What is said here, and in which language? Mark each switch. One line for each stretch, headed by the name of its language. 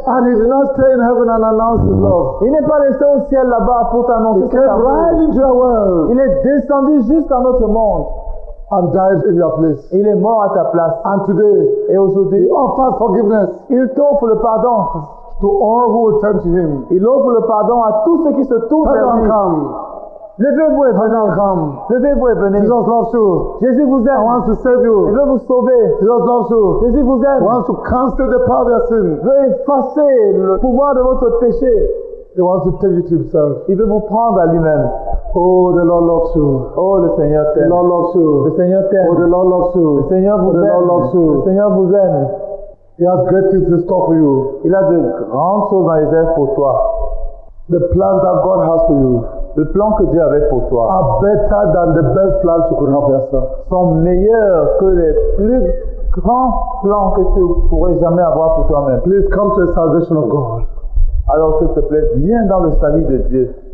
English: And he did not stay in heaven and announce his love.
French: Il n'est pas resté au ciel là-bas pour t'annoncer cet amour.
English: He came right into your world.
French: Il est descendu jusqu'à notre monde.
English: And died in your place.
French: Il est mort à ta place.
English: And today,
French: et aujourd'hui,
English: he offers forgiveness.
French: Il t'offre le pardon.
English: To all who will turn to him.
French: Il offre le pardon à tous ceux qui se tournent vers lui.
English: Come.
French: Levez-vous et venez. Levez-vous et venez.
English: Jesus loves you.
French: Jésus vous aime.
English: He wants to save you.
French: Il veut vous sauver.
English: Jesus loves you.
French: Jésus vous aime.
English: He wants to cancel the power of your sin.
French: Il veut effacer le pouvoir de votre péché.
English: He wants to take you to himself.
French: Il veut vous prendre à lui-même.
English: Oh, the Lord loves you.
French: Oh, le Seigneur t'aime.
English: The Lord loves you.
French: Le Seigneur t'aime.
English: Oh, the Lord loves you.
French: Le Seigneur vous aime.
English: The Lord loves you.
French: Le Seigneur vous aime.
English: He has great things in store for you.
French: Il a de grandes choses en réserve pour toi.
English: The plan that God has for you.
French: Le plan que Dieu avait pour toi
English: are better than the best plans you could have yourself.
French: Sont meilleurs que les plus grands plans que tu pourrais jamais avoir pour toi-même.
English: Please come to the salvation of God.
French: Alors s'il te plaît, viens dans le salut de Dieu.